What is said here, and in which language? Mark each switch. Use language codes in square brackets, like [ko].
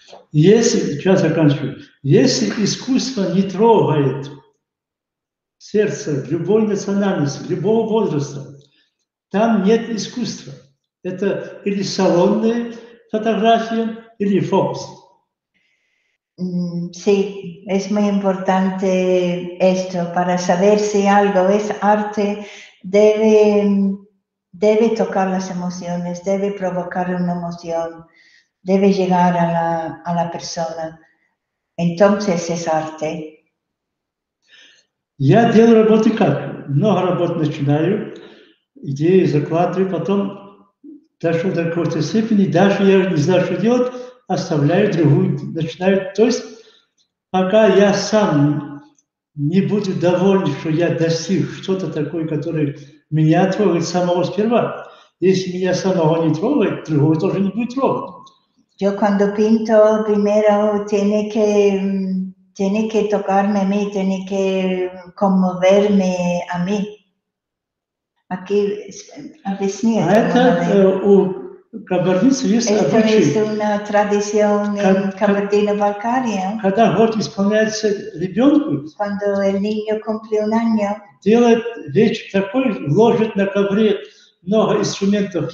[es] Y ese, ya se canso, y ese discurso ni trova esto, [ru] сердце, любой национальности, любого возраста. Там нет искусства. Это или салонная фотография, или фокус. [es] Sí, es muy importante esto. Para saber si algo es arte, debe tocar las emociones, debe provocar una emoción, debe llegar a la persona. Entonces es arte. [ru] Я делаю работы как? Много работ начинаю. Идеи закладываю, потом дошел до какой-то степени, даже я не знаю, что делать, оставляю другую, начинаю. То есть пока я сам не буду доволен, что я достиг что-то такое, которое меня трогает самого сперва, если меня самого не трогает, другого тоже не будет трогать. [es] Yo cuando pinto, primero tiene que tocarme a mí, tiene que conmoverme a mí. Aquí [ru] объясню. Это [es] una tradición en Кабардино-Балкария. [ru] Когда год исполняется ребенку, [es] cuando el niño cumple un año, [ru] делает вечер такой, ложит на ковре много инструментов.